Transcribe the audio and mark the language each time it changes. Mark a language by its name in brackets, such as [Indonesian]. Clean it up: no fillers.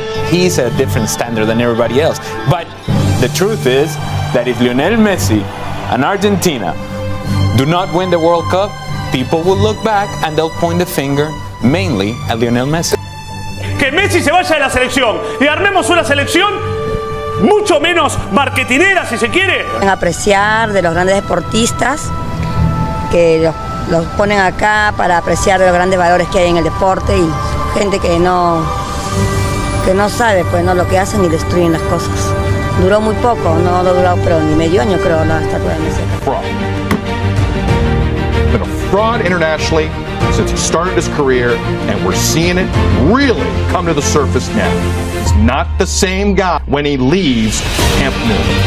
[English] He's a different standard than everybody else. But the truth is that if Lionel Messi and Argentina do not win the World Cup, people will look back and they'll point the finger mainly at Lionel Messi. [Spanish] Que Messi se vaya de la selección y armemos una selección mucho menos marketinera, si se quiere. En apreciar de los grandes deportistas que los ponen acá para apreciar los grandes valores que hay en el deporte y gente que no sabe pues, ¿no? Lo que hacen y destruyen las cosas. Duró muy poco, no lo duró, pero ni medio año creo la estatua de Messi. [English] Fraud. Been a fraud internationally since he started his career and we're seeing it really come to the surface now. Not the same guy when he leaves Camp Nou.